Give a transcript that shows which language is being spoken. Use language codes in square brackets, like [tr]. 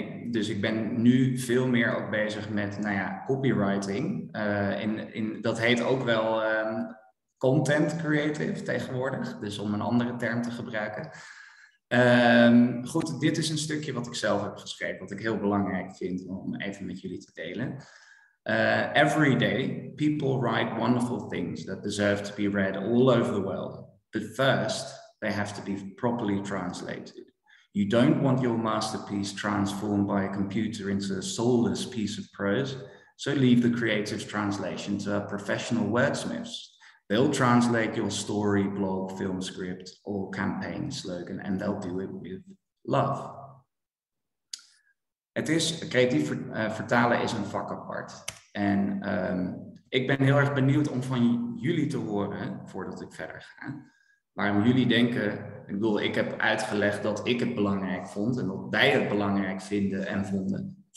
[nl] Dus ik ben nu veel meer ook bezig met copywriting. Dat heet ook wel content creative tegenwoordig, dus om een andere term te gebruiken. Goed, dit is een stukje wat ik zelf heb geschreven, wat ik heel belangrijk vind om even met jullie te delen. [en] Every day, people write wonderful things that deserve to be read all over the world. But first, they have to be properly translated. You don't want your masterpiece transformed by a computer into a soulless piece of prose, so leave the creative translation to a professional wordsmiths. They'll translate your story, blog, film script, or campaign slogan, and they'll do it with love. [nl] Het is, creatief vertalen is een vak apart. En ik ben heel erg benieuwd om van jullie te horen, voordat ik verder ga, waarom jullie denken, ik heb uitgelegd dat ik het belangrijk vond en dat wij het belangrijk vinden en vinden.